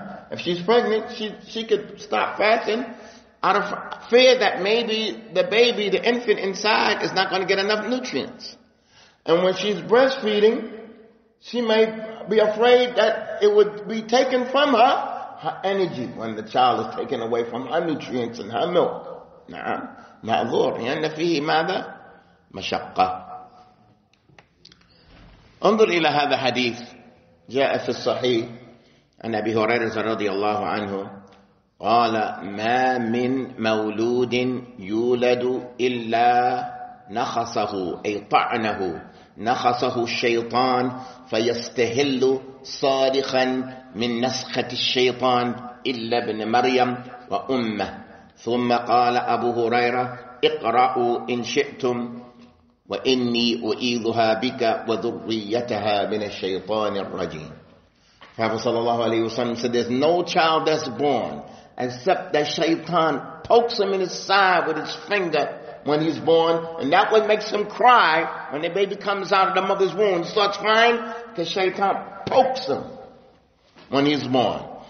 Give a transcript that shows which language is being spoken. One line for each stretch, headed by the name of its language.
English: If she's pregnant, she could stop fasting out of fear that maybe the baby, the infant inside, is not going to get enough nutrients. And when she's breastfeeding, she may be afraid that it would be taken from her, her energy, when the child is taken away from her nutrients and her milk.
Arabic: نعم معذور لأن فيه ماذا مشقة. انظر إلى هذا حديث جاء في الصحيح عن أبي هريرة رضي الله عنه قال ما من مولود يولد إلا نخصه أي طعنه نخصه الشيطان فيستهل صارخا من نسخة الشيطان إلا ابن مريم وأمه. ثم قال أبو هريرة اقرأوا إن شئتم وإني أعيذها بك وذريتها من الشيطان الرجيم.
English: Prophet sallallahu alayhi wa sallam said, there's no child that's born except that shaitan pokes him in his side with his finger when he's born, and that what makes him cry when the baby comes out of the mother's womb. He starts crying because shaitan pokes him when he's born.